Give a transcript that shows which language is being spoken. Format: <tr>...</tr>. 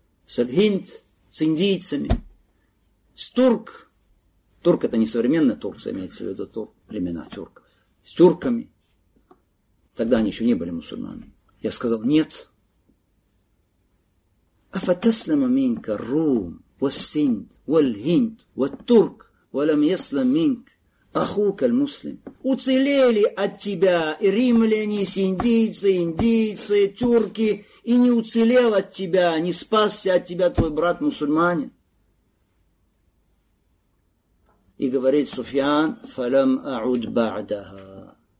<ru>Сальгинд, с индийцами. С турк. Турк это не современный турк, имеется в виду турк, племена тюрков. С тюрками. Тогда они еще не были мусульманами. Я сказал, нет.</ru> <ar>Афатаслама минка рум. والسند والهند والترك ولم يسلم منك أخوك المسلم.</ar> <ru>Уцелели от тебя римляне, синдийцы, индийцы, тюрки, и не уцелел от тебя, не спасся от тебя твой брат мусульманин. И говорит Суфьян,</ru> <ar>фалам ауд ба'даха.</ar>